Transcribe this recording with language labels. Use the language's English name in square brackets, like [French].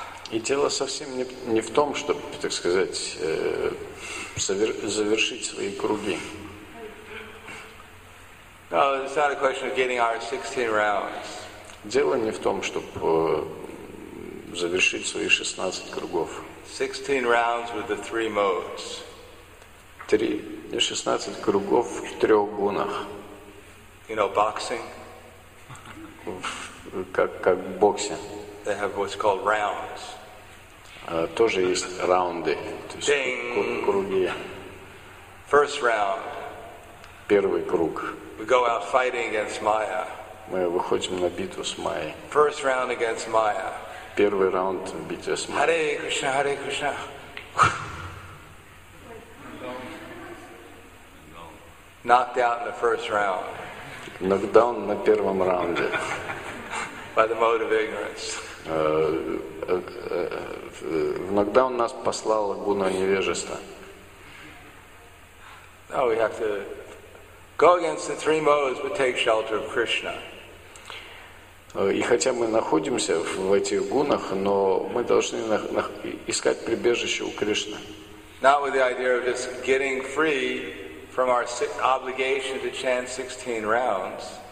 [Russian] И дело совсем не в том, чтобы, так сказать, завершить свои круги. [English] No, it's not a question of getting our 16 rounds. [Russian] Дело не в том, чтобы завершить свои 16 кругов. [English] 16 rounds with the three modes. [Russian] 16 кругов в трех гунах. [English] You know, boxing? [Russian] Как в боксе. [English] They have what's called rounds. [Russian] Тоже есть раунды, то есть Ding. Круги. [English] First round. [Russian] Первый круг. [English] We go out fighting against Maya. [Russian] Мы выходим на битву с Майей. [English] First round against Maya. [Russian] Первый раунд в битве с Майей. [Sanskrit] Hare Krishna, Hare Krishna. [English] Knocked out in the first round. [Russian] Нокдаун на первом раунде. [English] By the mode of ignorance. [Russian] В нокдаун нас послала гуна невежества. [English] Now we have to go against the three modes, but take shelter of Krishna. [Russian] И хотя мы находимся в этих гунах, но мы должны искать прибежище у Кришны. [English] Not with the idea of just getting free from our obligation to chant 16 rounds.